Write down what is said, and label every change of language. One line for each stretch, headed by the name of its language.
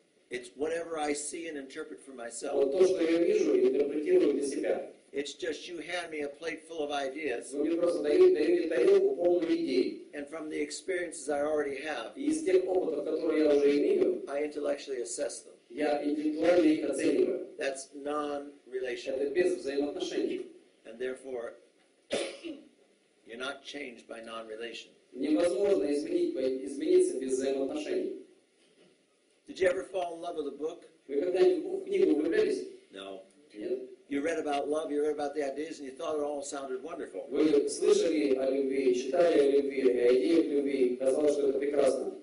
English: It's whatever I see and interpret for myself.
Russian: Вот то, что я вижу, интерпретирую для себя.
English: It's just you hand me a plate full of ideas.
Russian: Вы мне просто даете тарелку полную идей.
English: And from the experiences I already have.
Russian: И из тех опытов, которые я уже имею.
English: I intellectually assess them.
Russian: Я интеллектуально их оцениваю.
English: That's non-relational.
Russian: Это без взаимоотношений.
English: And therefore, you're not changed by non-relation.
Russian: Невозможно измениться без взаимоотношений.
English: Did you ever fall in love with a book?
Russian: Вы когда-нибудь в книгу влюблялись?
English: No.
Russian: Нет.
English: You read about love, you read about the ideas, and you thought it all sounded wonderful.
Russian: Вы слышали о любви, читали о любви, о идеях любви, казалось, что это прекрасно.